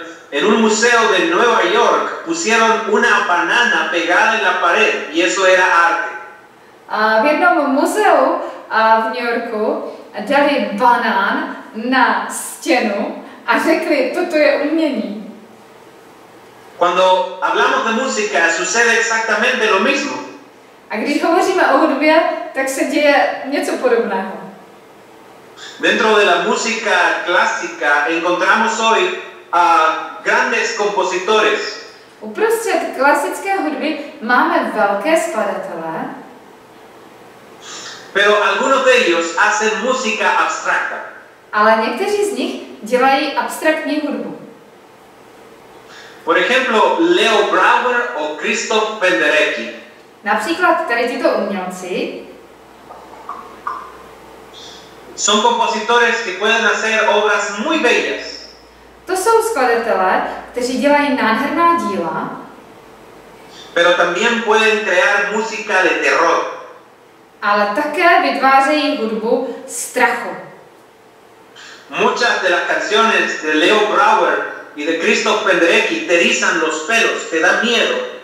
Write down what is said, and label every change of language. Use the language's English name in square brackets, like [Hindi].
[Spanish] En un museo de Nueva York pusieron una banana pegada en la pared y eso era arte. [Czech] V jednom muzeu v New Yorku dali banán na stěnu a řekli, toto je umění. [Spanish] Cuando hablamos de música, sucede exactamente lo mismo. [Czech] A když hovoříme o hudbě, tak se děje něco podobného. [Spanish] Dentro de la música clásica encontramos hoy a grandes compositores. [Czech] Uprostřed klasické hudby máme velké skladatele. [Spanish] Pero algunos de ellos hacen música abstracta. [Czech] Ale někteří z nich dělají abstraktní hudbu. [Spanish] Por ejemplo, Leo Brouwer o Krzysztof Penderecki. [Czech] Například tady tyto umělci. [Spanish] Son compositores que pueden hacer obras muy bellas. [Czech] To jsou skladatelé, kteří dělají nádherná díla. [Spanish] Pero también pueden crear música de terror. [Czech] Ale také vytvářejí hudbu strachu. [Spanish] Muchas de las canciones de Leo Brouwer y de Krzysztof Penderecki te erizan los pelos, te dan miedo.